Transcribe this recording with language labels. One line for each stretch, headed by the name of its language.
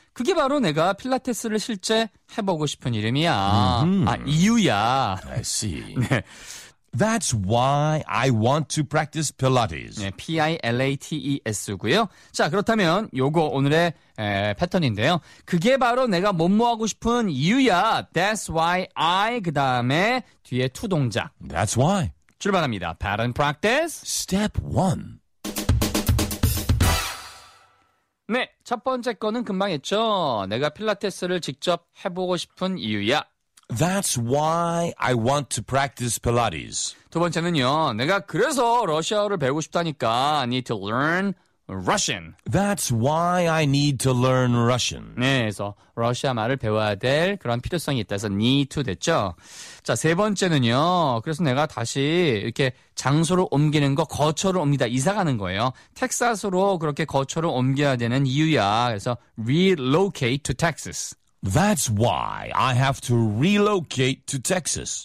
Korean: 그게 바로 내가 필라테스를 실제 해보고 싶은 이름이야. Mm-hmm. 아, 이유야.
English: I see. 네. That's why I want to practice Pilates.
Korean: 네, P-I-L-A-T-E-S고요. 자, 그렇다면 요거 오늘의 패턴인데요. 그게 바로 내가 몸무하고 싶은 이유야.
English: That's why I,
Korean: 그 다음에 뒤에 to 동작.
English: That's why.
Korean: 출발합니다.
English: Pattern practice. Step 1.
Korean: 네, 첫 번째 거는 금방 했죠. 내가 필라테스를 직접 해보고 싶은 이유야.
English: That's why I want to practice Pilates.
Korean: 두 번째는요. 내가 그래서 러시아어를 배우고 싶다니까.
English: I need to learn Russian. That's why I need to learn Russian.
Korean: 네, 그래서 러시아 말을 배워야 될 그런 필요성이 있다 해서 need to 됐죠. 자, 세 번째는요. 그래서 내가 다시 이렇게 장소를 옮기는 거 거처를 옮기다 이사 가는 거예요. 텍사스로 그렇게 거처를 옮겨야 되는 이유야. 그래서
English: relocate to Texas. That's why I have to relocate to Texas.